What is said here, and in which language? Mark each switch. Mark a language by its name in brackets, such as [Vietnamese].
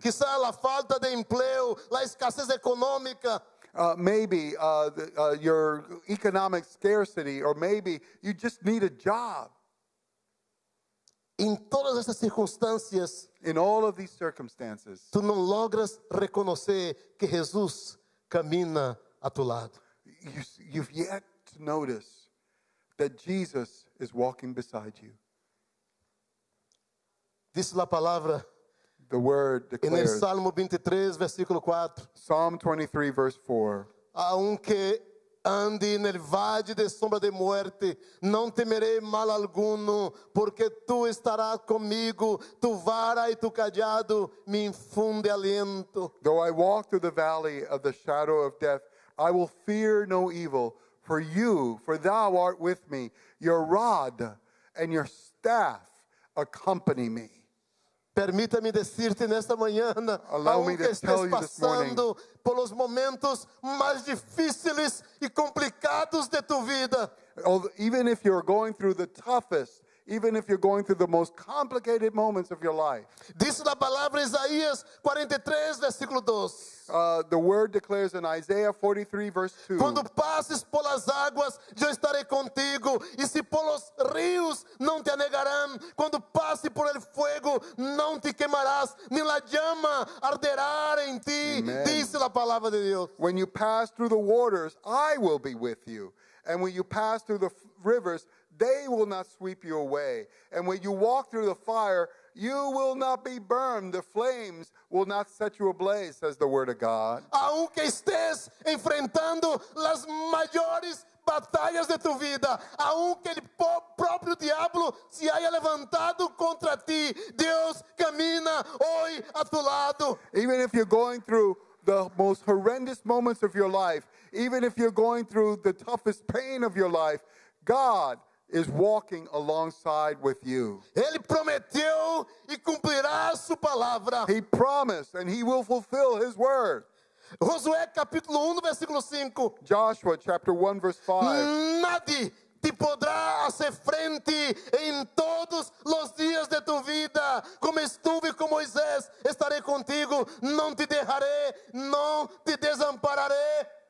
[Spanish] Quizá la falta de empleo, la escasez económica. [English] Maybe your economic scarcity, or maybe you just need a job. [Portuguese] em todas essas circunstâncias, [English] in all of these circumstances, [Portuguese] tu não logras reconhecer que Jesus camina a tu lado. [English] You've yet to notice that Jesus is walking beside you. [Portuguese] Diz a palavra. [English] The word declares. [Portuguese] Em Salmo 23, versículo 4. [English] Psalm 23, verse 4. [Portuguese] Aunque ande nel vale de sombra de morte, não temerei mal alguno, porque tu estarás comigo, tu vara e tu cajado me infunde aliento. [English] Though I walk through the valley of the shadow of death, I will fear no evil, for you, for thou art with me, your rod and your staff accompany me. [Portuguese] Permita-me dizer-te nesta manhã, [Spanish] aunque estés [Portuguese] passando pelos momentos mais difíceis e complicados de tua vida. [English] Even if you're going through the toughest, even if you're going through the most complicated moments of your life. [Portuguese] Diz a palavra Isaías 43, versículo 2. [English] The word declares in Isaiah 43, verse 2. [Portuguese] Quando passes pelas águas, eu estarei contigo. E se pelos rios não te anegarão, quando passes [Spanish] por el fuego, [Portuguese] não te queimarás. Nem la llama arderá em ti. Amen. Diz a palavra de Deus. [English] When you pass through the waters, I will be with you. And when you pass through the rivers, they will not sweep you away. And when you walk through the fire, you will not be burned. The flames will not set you ablaze, says the word of God. [Spanish] Aunque estés enfrentando las mayores batallas de tu vida, aunque el propio diablo se haya levantado contra ti, Dios camina hoy a tu lado. [English] Even if you're going through the most horrendous moments of your life, even if you're going through the toughest pain of your life, God is walking alongside with you. [Portuguese] Ele prometeu e cumprirá sua palavra. [English] He promised and he will fulfill his word. [Portuguese] Josué capítulo 1 versículo 5. [English] Joshua chapter 1 verse 5. [Portuguese] Nada te poderá fazer frente em todos os dias de tua vida. Como estive com Moisés, estarei contigo, não te deixarei, não te desampararei.